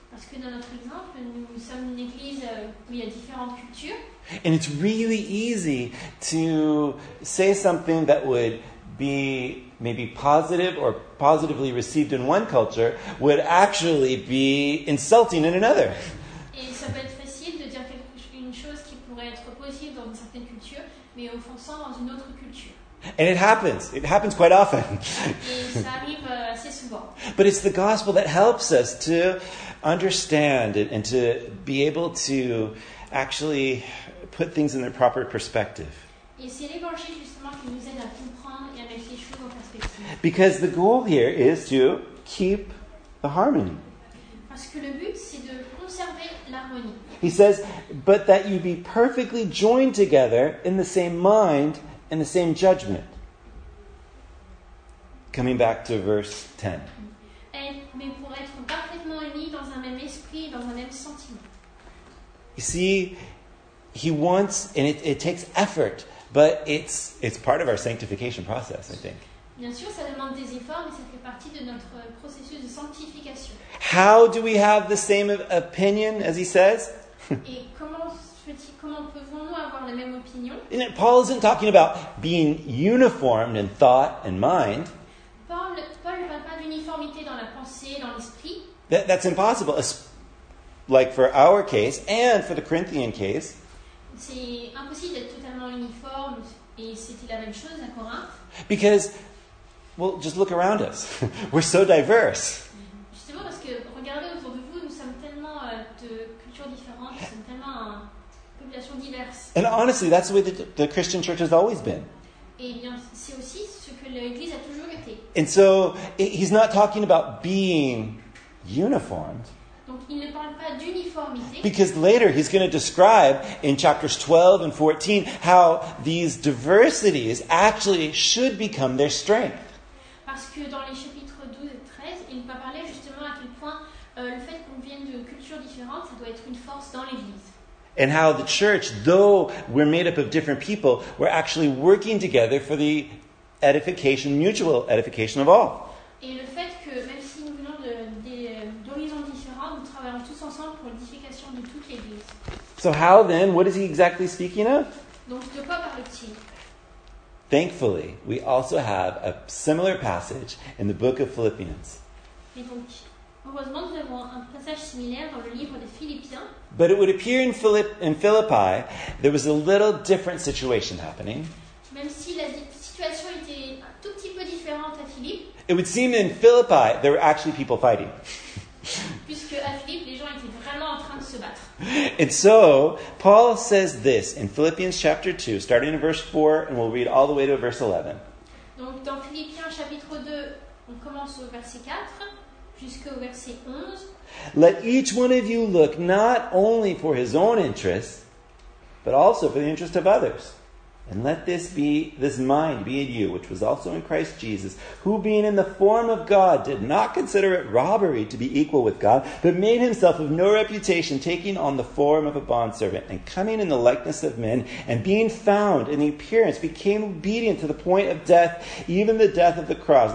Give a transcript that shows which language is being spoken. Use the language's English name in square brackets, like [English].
[French] Parce que dans notre exemple, nous sommes une église où il y a différentes cultures. [English] And it's really easy to say something that would be maybe positive or positively received in one culture would actually be insulting in another. [French] Et ça peut être facile de dire une chose qui pourrait être positive dans une certaine culture, mais offensant dans une autre culture. [English] And it happens. It happens quite often. [French] Et ça arrive assez souvent. [English] But it's the gospel that helps us to understand and to be able to actually put things in their proper perspective. [French] Et c'est l'évangile justement qui nous aide à comprendre et à mettre les choses en perspective. [English] Because the goal here is to keep the harmony. [French] Parce que le but, c'est de conserver l'harmonie. [English] He says, but that you be perfectly joined together in the same mind and the same judgment. Coming back to verse 10. [French] Mais pour être parfaitement unis dans un même esprit, dans un même sentiment. [English] You see, he wants, and it takes effort, but it's part of our sanctification process, I think. [French] Bien sûr, ça demande des efforts, mais ça fait partie de notre processus de sanctification. [English] How do we have the same opinion, as he says? [French] Et comment pouvons-nous avoir la même opinion? [English] And Paul isn't talking about being uniform in thought and mind. [French] Paul ne parle pas d'uniformité dans la pensée, dans l'esprit. [English] That's impossible, like for our case and for the Corinthian case. [French] C'est impossible d'être totalement uniforme et c'était la même chose à Corinth. [English] Because, well, just look around us. We're so diverse. [French] Justement parce que regardez autour de vous, nous sommes tellement de cultures différentes, nous sommes tellement une population diverse. [English] And honestly, that's the way the Christian church has always been. [French] Et bien, c'est aussi ce que l'Église a toujours été. [English] And so, he's not talking about being uniformed. [French] Donc, il ne parle pas d'uniformité. [English] Because later he's going to describe in chapters 12 and 14 how these diversities actually should become their strength. [French] Parce que dans les chapitres 12 et 13, il va parler justement à quel point le fait qu'on vienne de cultures différentes, ça doit être une force dans l'Église. [English] And how the church, though we're made up of different people, we're actually working together for the edification, mutual edification of all. [French] Et le fait que même si nous venons d'horizons différents, nous travaillons tous ensemble pour l'édification de toute l'Église. [English] So how then, what is he exactly speaking of? [French] Donc de quoi parle-t-il? [English] Thankfully, we also have a similar passage in the book of Philippians. [French] Et donc, heureusement, nous avons un passage similaire dans le livre des Philippiens. [English] But it would appear in Philippi, there was a little different situation happening. [French] Même si la situation était un tout petit peu différente à Philippe. [English] It would seem in Philippi, there were actually people fighting. [French] Puisque à Philippe, les gens étaient vraiment en train de se battre. [English] And so, Paul says this in Philippians chapter 2, starting in verse 4, and we'll read all the way to verse 11. [French] Donc dans Philippiens chapitre 2, on commence au verset 4. Jusqu'au verset 11. [English] Let each one of you look not only for his own interests, but also for the interests of others. And let this mind be in you, which was also in Christ Jesus, who being in the form of God did not consider it robbery to be equal with God, but made himself of no reputation, taking on the form of a bondservant, and coming in the likeness of men, and being found in the appearance, became obedient to the point of death, even the death of the cross.